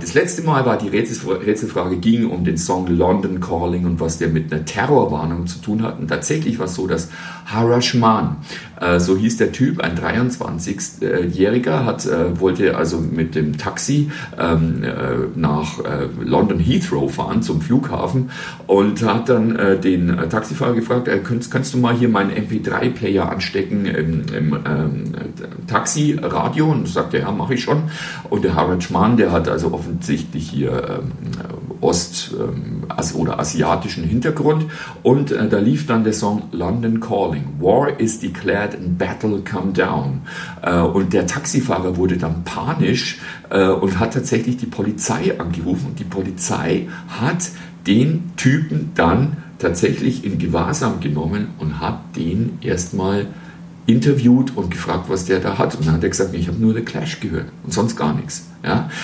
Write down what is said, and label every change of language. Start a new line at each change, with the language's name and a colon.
German: Das letzte Mal war die Rätselfrage, ging um den Song
English: London Calling
German: und was der mit einer Terrorwarnung zu tun hat. Und tatsächlich war es so, dass Harash Mann, so hieß der Typ, ein 23-Jähriger, wollte also mit dem Taxi nach London Heathrow fahren zum Flughafen und hat dann den Taxifahrer gefragt, kannst du mal hier meinen MP3-Player anstecken im Taxi-Radio? Und sagte, ja, mache ich schon. Und der Harash Mann, der hat also offensichtlich hier oder asiatischen Hintergrund. Und da lief dann der Song
English: London Calling. War is declared and battle come down.
German: Und der Taxifahrer wurde dann panisch und hat tatsächlich die Polizei angerufen. Und die Polizei hat den Typen dann tatsächlich in Gewahrsam genommen und hat den erstmal interviewt und gefragt, was der da hat. Und dann hat er gesagt, ich habe nur
English: The Clash
German: gehört und sonst gar nichts. Ja?